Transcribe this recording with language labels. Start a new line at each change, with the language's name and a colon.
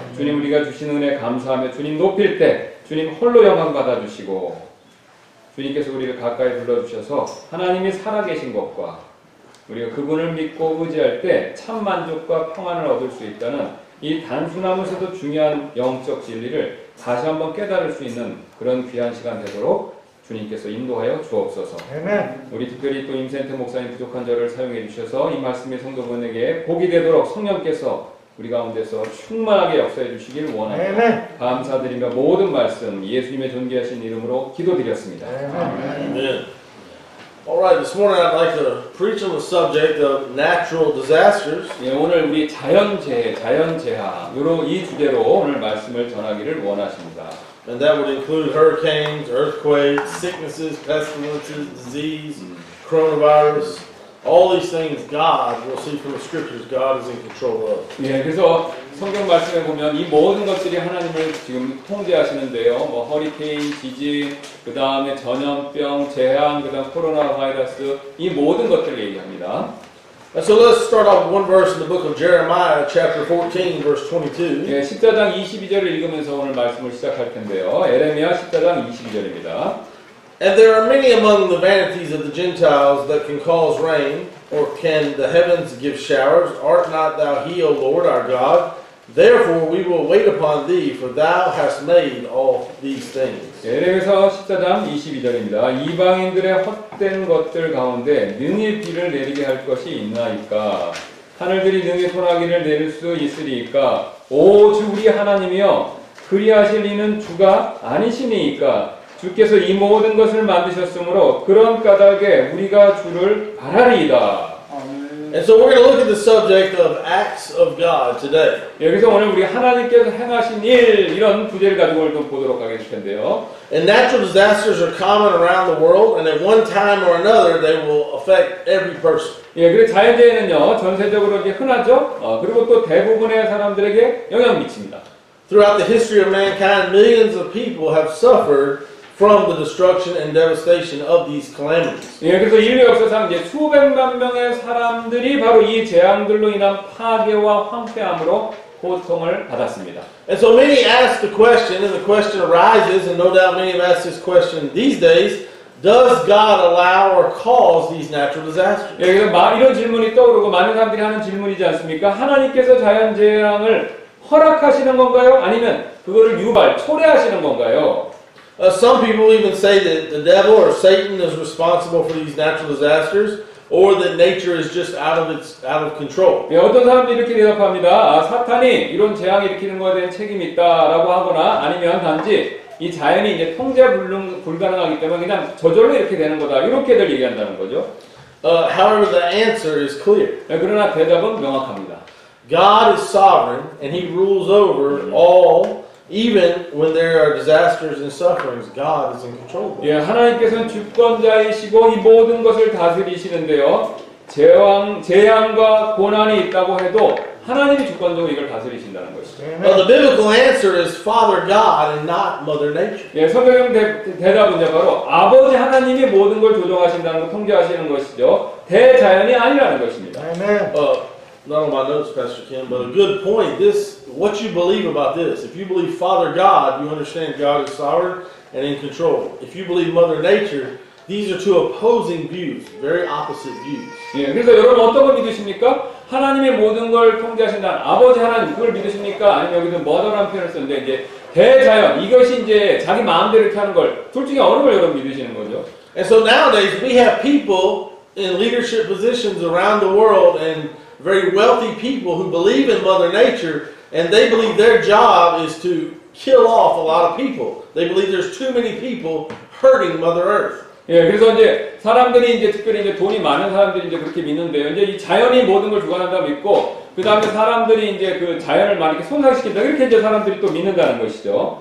Korean: 주님 우리가 주신 은혜 감사하며 주님 높일 때 주님 홀로 영광 받아주시고 주님께서 우리를 가까이 불러주셔서 하나님이 살아계신 것과 우리가 그분을 믿고 의지할 때 참 만족과 평안을 얻을 수 있다는 이 단순하면서도 중요한 영적 진리를 다시 한번 깨달을 수 있는 그런 귀한 시간 되도록 주님께서 인도하여 주옵소서. 아멘. 우리 특별히 또 임센트 목사님 부족한 저를 사용해 주셔서 이 말씀이 성도분에게 복이 되도록 성령께서 우리 가운데서 충만하게 역사해 주시길 원합니다. 아멘. 감사드리며 모든 말씀 예수님의 존귀하신 이름으로 기도드렸습니다. 아멘.
English: Alright, this morning I'd like to preach on the subject of natural disasters.
Korean: 예, 오늘 우리 자연재해 요로 이 주제로 오늘 말씀을 전하기를 원하십니다.
English: And that would include hurricanes, earthquakes, sicknesses, pestilences, disease, coronavirus. All these things God, we'll see from the scriptures, God is in control of.
Korean: 예, 그래서 성경 말씀에 보면 이 모든 것들이 하나님을 지금 통제하시는데요. 뭐 허리케인, 지진, 그 다음에 전염병, 재앙, 그 다음 코로나 바이러스 이 모든 것들을 얘기합니다.
English: And so let's start off with one verse in the book of Jeremiah, chapter 14, verse 22.
Korean: 예, 14장 22절을 읽으면서 오늘 말씀을 시작할 텐데요. 예레미야 14장 22절입니다.
English: And there are many among the vanities of the Gentiles that can cause rain, or can the heavens give showers? Art not thou he, O Lord our God? Therefore we will wait upon thee, for thou hast made all these things.
Korean: 예레미야 14장 22절입니다. 이방인들의 헛된 것들 가운데 능히 비를 내리게 할 것이 있나이까? 하늘들이 능히 소나기를 내릴 수 있으리이까? 오 주 우리 하나님이여, 그리하실 이는 주가 아니시니이까? 주께서 이 모든 것을 만드셨으므로 그런 까닭에 우리가 주를 바라리이다.
English: And so we're going to look at the subject of acts of God today.
Korean: 여기서 오늘 우리 하나님께서 행하신 일 이런 주제를 가지고 좀 보도록 하겠는데요.
English: And natural disasters are common around the world, and at one time or another, they will affect every person.
Korean: 예, 그리고 자연재해는요 전세적으로 이제 흔하죠. 그리고 또 대부분의 사람들에게 영향 미칩니다.
English: Throughout the history of mankind, millions of people have suffered from the destruction and devastation of these calamities.
Korean: 예, 그래서 인류 역사상 이제 수백만 명의 사람들이 바로 이 재앙들로 인한 파괴와 황폐함으로 고통을 받았습니다.
English: And so many ask the question, and the question arises, and no doubt many have asked this question these days, does God allow or cause these natural disasters?
Korean: 예, 이런 질문이 떠오르고 많은 사람들이 하는 질문이지 않습니까? 하나님께서 자연재앙을 허락하시는 건가요? 아니면 그거를 유발, 초래하시는 건가요?
English: Some people even say that the devil or Satan is responsible for these natural disasters, or that nature is just out of control.
Korean: 예, 어떤 사람들이 이렇게 대답합니다. 아, 사탄이 이런 재앙 일으키는 것에 대한 책임이 있다라고 하거나 아니면 단지 이 자연이 이제 통제 불가능하기 때문에 그냥 저절로 이렇게 되는 거다 이렇게들 얘기한다는 거죠.
English: However, the answer is clear.
Korean: 예, 그러나 대답은 명확합니다.
English: God is sovereign, and He rules over all. Even when there are disasters and sufferings, God is in control.
Korean: 예, 하나님께서는 주권자이시고 이 모든 것을 다스리시는데요. 재앙과 고난이 있다고 해도 하나님이 주권적으로 이걸 다스리신다는 것이죠.
English: But the biblical answer is Father God and not Mother Nature.
Korean: 예, 성경 대답은 바로 아버지 하나님이 모든 걸 조정하신다는 것, 통제하시는 것이죠. 대자연이 아니라는 것입니다.
English: Not on my notes, Pastor Kim, but a good point. This, what you believe about this, if you believe Father God, you understand God is sovereign and in control. If you believe Mother Nature, these are two opposing views, very opposite views.
Korean: 예, 그래서 여러분 어떤 걸 믿으십니까? 하나님의 모든 걸 통제하신다, 아버지 하나님, 그걸 믿으십니까? 아니면 여기서 Mother라는 표현을 썼는데, 이제 대자연, 이것이 이제 자기 마음대로 이렇게 하는 걸, 둘 중에 어느 걸 여러분 믿으시는 거죠?
English: And so nowadays we have people in leadership positions around the world and very wealthy people who believe in Mother Nature, and they believe their job is to kill off a lot of people. They believe there's too many people hurting Mother Earth.
Korean: 예, 그래서 이제 사람들이 이제 특별히 이제 돈이 많은 사람들이 이제 그렇게 믿는데요. 이제 이 자연이 모든 걸 주관한다고 믿고, 그 다음에 사람들이 이제 그 자연을 많이 손상시킨다. 이렇게 이제 사람들이 또 믿는다는 것이죠.